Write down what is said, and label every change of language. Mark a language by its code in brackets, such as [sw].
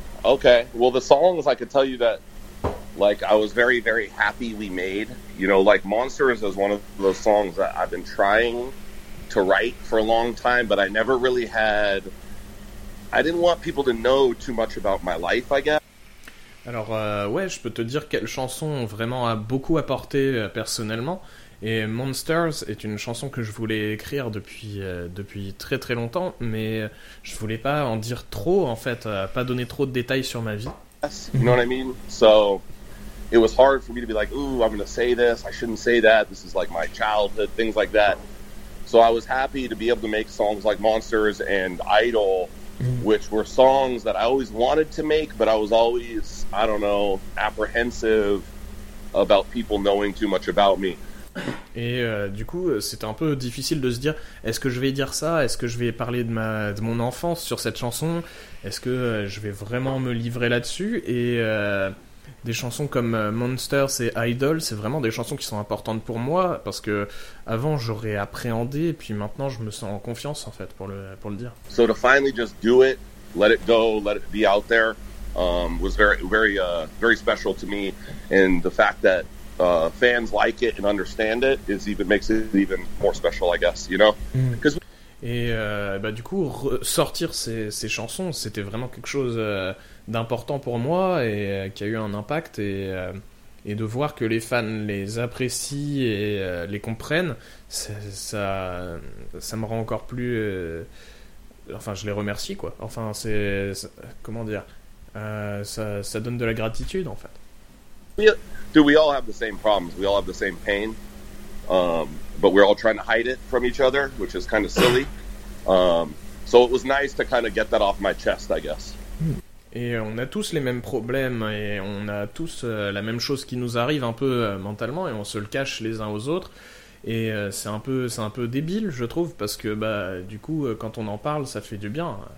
[en] Okay, well, the songs I could tell you that. Like, I was very, very happy we made. You know, like, Monsters is one of those songs that I've been trying to write for a long time, but I never really had... I didn't want people to know too much about my life, I guess. [fr] Alors, ouais, je peux te dire quelle chanson vraiment a beaucoup apporté personnellement. Et Monsters est une chanson que je voulais écrire depuis très très longtemps, mais je voulais pas en dire trop, en fait, pas donner trop de détails sur ma vie. [en] You know what I mean? So, it was hard for me to be like, ooh, I'm gonna say this, I shouldn't say that, this is like my childhood, things like that. So I was happy to be able to make songs like Monsters and Idol, which were songs that I always wanted to make, but I was always, I don't know, apprehensive about people knowing too much about me. [fr] Et du coup, c'était un peu difficile de se dire, est-ce que je vais dire ça? Est-ce que je vais parler de mon enfance sur cette chanson? Est-ce que je vais vraiment me livrer là-dessus? Et des chansons comme Monsters et Idol, c'est vraiment des chansons qui sont importantes pour moi, parce que avant j'aurais appréhendé, et puis maintenant je me sens en confiance en fait pour le dire. [en] So to finally just do it, let it go, let it be out there, was very, very, very special to me, and the fact that fans like it and understand it is even makes it even more special, I guess, you know. [fr] Du coup, sortir ces chansons, c'était vraiment quelque chose d'important pour moi et qui a eu un impact, et de voir que les fans les apprécient et les comprennent, ça me rend encore plus je les remercie, quoi. Enfin, c'est comment dire, ça donne de la gratitude, en fait. [en] Yeah. Dude, we all have the same problems, we all have the same pain, but we're all trying to hide it from each other, which is kind of silly. So it was nice to kind of get that off my chest, I guess. [fr] Et on a tous les mêmes problèmes, et on a tous la même chose qui nous arrive un peu mentalement, et on se le cache les uns aux autres. Et c'est un peu débile, je trouve, parce que du coup, quand on en parle, ça fait du bien.